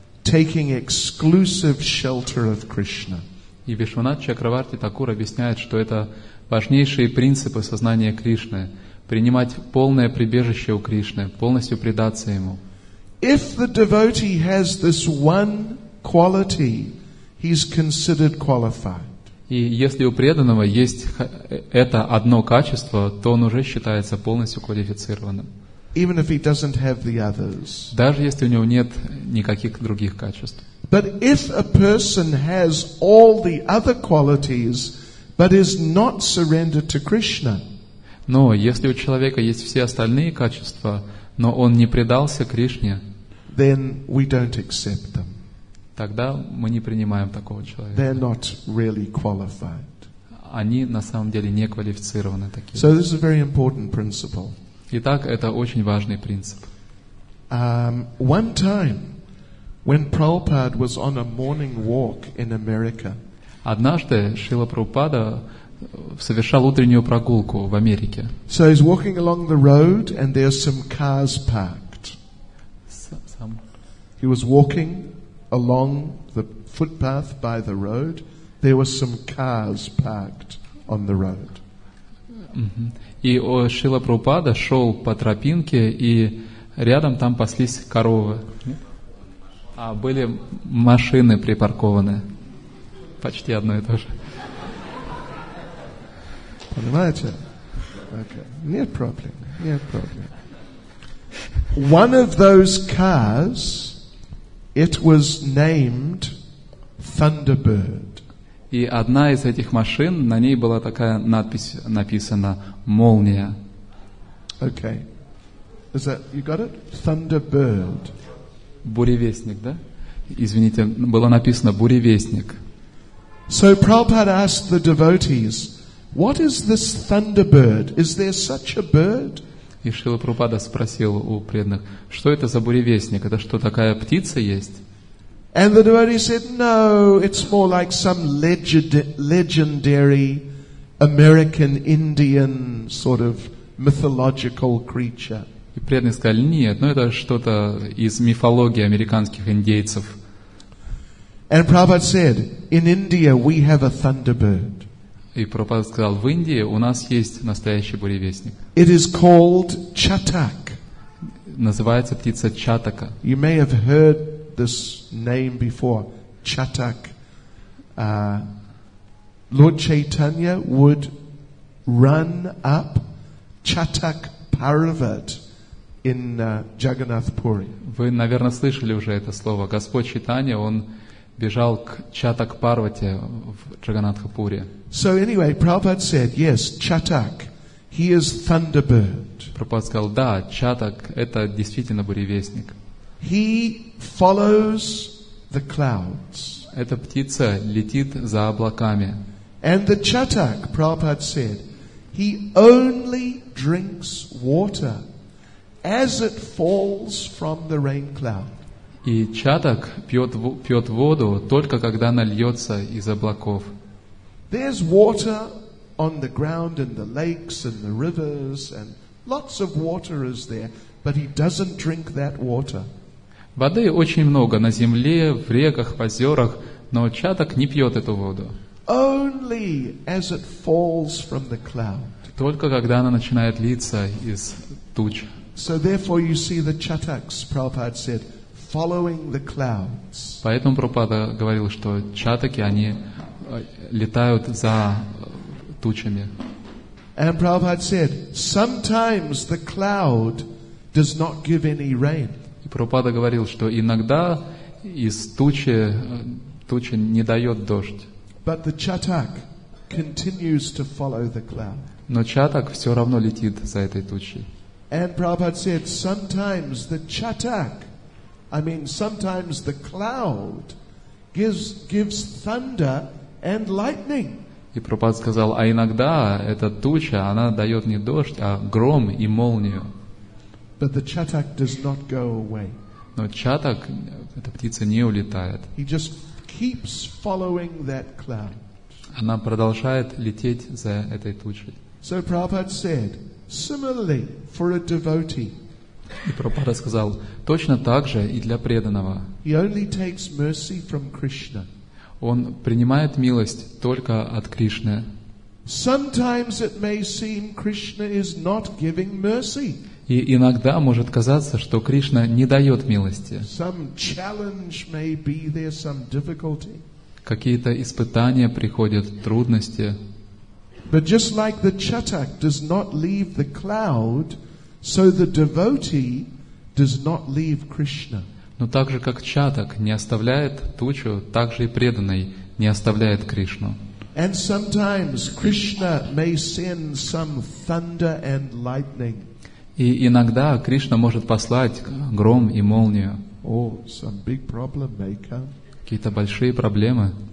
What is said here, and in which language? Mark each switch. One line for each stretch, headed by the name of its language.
English: taking exclusive shelter of Krishna.
Russian: И Вишванат Чакраварти Такур объясняет, что это важнейшие принципы сознания Кришны — принимать полное прибежище у Кришны, полностью предаться Ему.
English: If the devotee has this one quality, he's considered qualified.
Russian: И если у преданного есть это одно качество, то он уже считается полностью квалифицированным.
English: Even if he doesn't have the others.
Russian: Даже если у него нет никаких других качеств.
English: But if a person has all the other qualities, but is not surrendered to Krishna.
Russian: Но если у человека есть все остальные качества, но он не предался Кришне.
English: Then we don't accept them.
Russian: Тогда мы не принимаем такого человека.
English: They're not really qualified.
Russian: Они на самом деле не квалифицированы такие.
English: So this is a very important principle.
Russian: Итак, это очень важный принцип.
English: One time, when Prabhupada was on a morning walk in America.
Russian: Однажды Шрила Прабхупада совершал утреннюю прогулку в Америке.
English: So he's walking along the road and there's some cars parked. He was walking along the footpath by the road. There were some cars parked on the road.
Russian: И Шрила Прабхупада шел по тропинке, и рядом там паслись коровы. А были машины припаркованы. Почти одно и то же. Понимаете? Okay. Нет проблем. Нет проблем.
English: One of those cars, it was named Thunderbird.
Russian: И одна из этих машин, на ней была такая надпись написана «Молния».
English: Okay. Is that, you got it? Thunderbird.
Russian: Буревестник, да? Извините, было написано «Буревестник».
English: So Prabhupada asked the devotees, what is this thunderbird? Is there such a bird?
Russian: И Шрила Прабхупада спросил у преданных, что это за буревестник? Это что, такая птица есть?
English: And the devotees said, no, it's more like some legendary American Indian sort of mythological creature.
Russian: И преданные сказали, нет, ну это что-то из мифологии американских индейцев.
English: And Prabhupada said, in India we have a thunderbird.
Russian: И Прабхупада сказал, в Индии у нас есть настоящий буревестник.
English: It is called Chatak.
Russian: Называется птица Чатака.
English: You may have heard this name before, Chatak. Lord Chaitanya would run up Chatak Parvat.
Russian: Вы, наверное, слышали уже это слово. Господь Чайтанья, он бежал к Чатак Парвати в Джаганатхапуре.
English: So anyway, Prabhupada said, yes, Chatak, he is Thunderbird.
Russian: Прабхупада сказал, да, Чатак, это действительно буревестник.
English: He follows the clouds.
Russian: Эта птица летит за облаками.
English: And the Chatak, Prabhupada said, he only drinks water. As it falls from the rain cloud.
Russian: И чаток пьет воду только когда она льется из облаков.
English: There's water on the ground in the lakes and the rivers, and lots of water is there, but he doesn't drink that water.
Russian: Воды очень много на земле, в реках, в озерах, но чаток не пьет эту воду.
English: Only as it falls from the cloud.
Russian: Только когда она начинает литься из туч.
English: So therefore you see the chataks, Prabhupada said, following the clouds.
Russian: Поэтому Прабхупада говорил, что чатаки, они летают за тучами.
English: And Prabhupada said, sometimes the cloud does not give any rain.
Russian: И Прабхупада говорил, что иногда из тучи, туча не дает дождь.
English: But the chatak continues to follow the cloud.
Russian: Но чатак все равно летит за этой тучей.
English: And Prabhupada said, sometimes the chatak, I mean, sometimes the cloud gives thunder and lightning.
Russian: И Прабхупада сказал, а иногда эта туча, она дает не дождь, а гром и молнию.
English: But the chatak does not go away.
Russian: Но чатак, эта птица не улетает.
English: He just keeps following that cloud.
Russian: Она продолжает лететь за этой тучей.
English: So Prabhupada said, similarly, for a devotee.
Russian: И Прабхупада сказал, точно так же и для преданного.
English: He only takes mercy from Krishna.
Russian: Он принимает милость только от Кришны.
English: Sometimes it may seem Krishna is not giving mercy.
Russian: И иногда может казаться, что Кришна не дает милости.
English: Some challenge may be there, some difficulty.
Russian: Какие-то испытания приходят, трудности.
English: But just like the chatak does not leave the cloud, so the devotee does not leave Krishna.
Russian: Но так же, как чатак не оставляет тучу, так же и преданный не оставляет Кришну.
English: And sometimes Krishna may send some thunder and lightning.
Russian: И иногда Кришна может послать гром и молнию.
English: Oh, some big problem may come.
Russian: Какие-то большие проблемы.